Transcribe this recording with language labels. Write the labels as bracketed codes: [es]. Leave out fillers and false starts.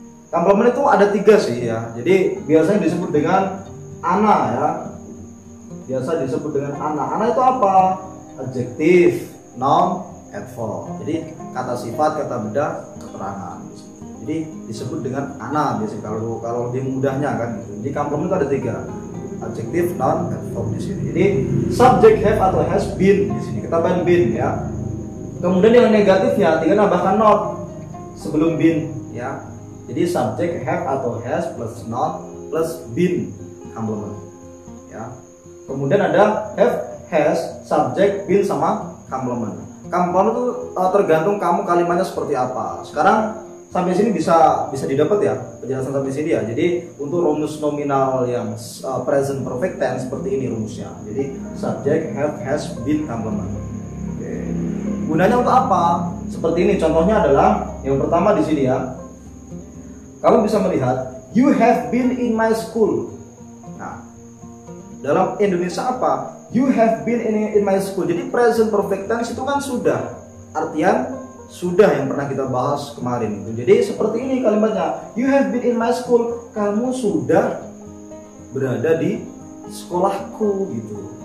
[id] Complement itu ada tiga sih ya. Jadi biasanya disebut dengan ana ya. Biasa disebut dengan ana. Ana itu apa? Adjektif, noun, adverb. Jadi kata sifat, kata benda, keterangan. Jadi disebut dengan ana biasanya kalau lebih mudahnya kan. Jadi complement itu ada tiga. Adjektif, noun, adverb di sini. Jadi subject have atau has been di sini. Kita tambahin been ya. Kemudian yang negatifnya tinggal nambahkan not sebelum been ya. Jadi subject have atau has plus not plus been complement ya. Kemudian ada have, has, subject, been sama complement. Complement itu tergantung kamu kalimatnya seperti apa. Sekarang sampai sini bisa didapat ya penjelasan sampai sini ya. Jadi untuk rumus nominal yang present perfect tense seperti ini rumusnya. Jadi subject have has been complement. Okay. Gunanya untuk apa? Seperti ini contohnya adalah yang pertama di sini ya. Kamu bisa melihat [en] you have been in my school. [id] Nah, dalam Indonesia apa? [en] You have been in my school. [id] Jadi present perfect tense itu kan sudah artian sudah yang pernah kita bahas kemarin itu. Jadi seperti ini kalimatnya. [en] You have been in my school. [id] Kamu sudah berada di sekolahku gitu.